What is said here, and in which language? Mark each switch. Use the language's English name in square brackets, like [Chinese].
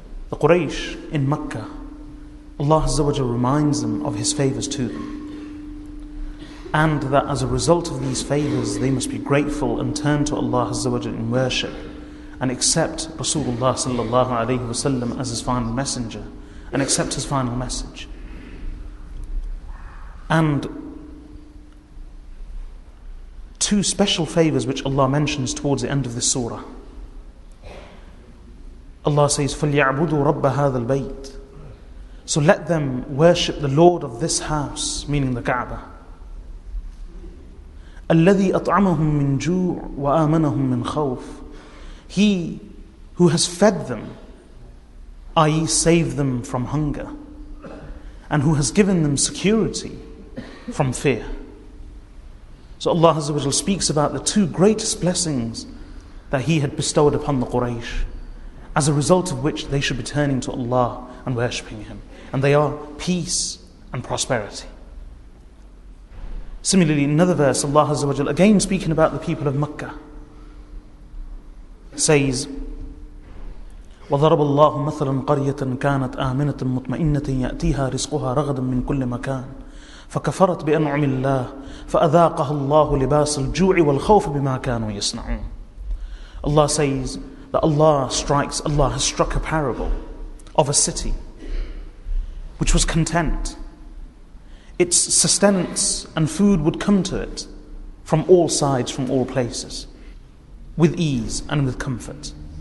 [English] The Quraysh in Mecca, Allah Azza wa Jal reminds them of His favours to them, and that as a result of these favours, they must be grateful and turn to Allah Azza wa Jal in worship and accept Rasulullah sallallahu alayhi wa sallam as His final messenger, and accept His final message. And two special favours which Allah mentions towards the end of this surah. Allah says, [Arabic] فَلْيَعْبُدُوا رَبَّ هَذَا الْبَيْتِ. [English] So let them worship the Lord of this house, meaning the Kaaba. [Arabic] الَّذِي أَطْعَمَهُمْ مِنْ جُوعٍ وَآمَنَهُمْ مِنْ خَوْفٍ. [English] He who has fed them, i.e. save them from hunger, and who has given them security from fear. So Allah Azza wa Jal speaks about the two greatest blessings that He had bestowed upon the Quraysh, as a result of which they should be turning to Allah and worshipping Him. And they are peace and prosperity. Similarly, in another verse, Allah Azza wa Jal, again speaking about the people of Makkah, says, [Arabic] وَضَرَبَ اللَّهُ مَثَلًا قَرْيَةً كَانَتْ آمِنَةً مُطْمَئِنَّةً يَأْتِيهَا رِزْقُهَا رَغَدًا مِنْ كُلِّ مَكَانٍ فَكَفَرَتْ بِأَنْعُمِ اللَّهِ فَأَذَاقَهَا اللَّهُ لِبَاسَ الْجُوعِ وَالْخَوْفِ بِمَا كَانُوا يَصْنَعُونَ. [English] Allah says that Allah has struck a parable of a city which was content. Its sustenance and food would come to it from all sides, from all places, with ease and with comfort.